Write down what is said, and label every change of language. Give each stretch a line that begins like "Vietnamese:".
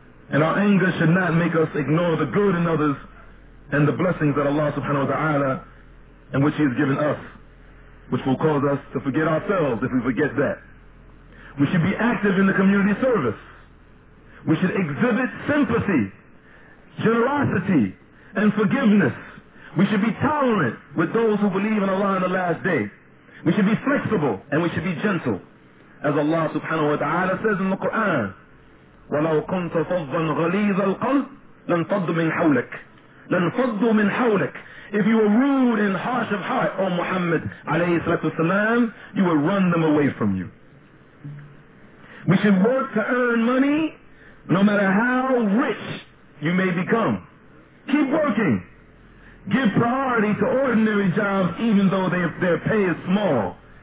English: And our anger should not make us ignore the good in others and the blessings that Allah subhanahu wa ta'ala and which He has given us, which will cause us to forget ourselves if we forget that. We should be active in the community service. We should exhibit sympathy, generosity, and forgiveness. We should be tolerant with those who believe in Allah on the last day. We should be flexible and we should be gentle. As Allah subhanahu wa ta'ala says in the Quran,
Arabic: وَلَوْ كُنْتَ فَضًّا غَلِيظَ الْقَلْبِ لَنْفَضُّ مِنْ حَوْلِكَ لَنْفَضُّ مِنْ حَوْلِكَ.
English: If you were rude and harsh of heart, O Muhammad alayhi salatu wasalam, you would run them away from you. We should work to earn money no matter how rich you may become. Keep working. Give priority to ordinary jobs even though their pay is small.